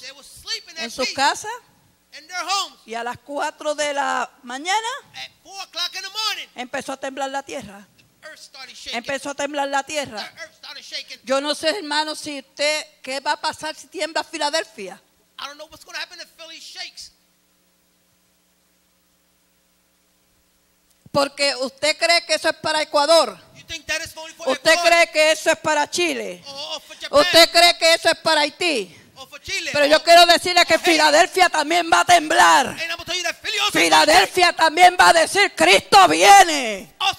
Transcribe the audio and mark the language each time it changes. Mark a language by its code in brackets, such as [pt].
[en] They were sleeping [es] en sus casas. [en] In their homes. [es] Y a las 4 de la mañana, [en] at 4 o'clock in the morning, [es] empezó a temblar la tierra. [en] The earth started shaking. [es] Empezó a temblar la tierra. [en] The earth started shaking. [es] Yo no sé, hermano, si usted, ¿qué va a pasar si tiembla Filadelfia? [en] I don't know what's going to happen if Philly shakes. [es] Porque usted cree que eso es para Ecuador. [en] You think that is only for [es] usted [en] Ecuador? [es] Cree que eso es para Chile. [en] Or for Japan. [es] Usted cree que eso es para Haití. Pero yo quiero decirle que Filadelfia también va a temblar. Filadelfia también va a decir, Cristo viene.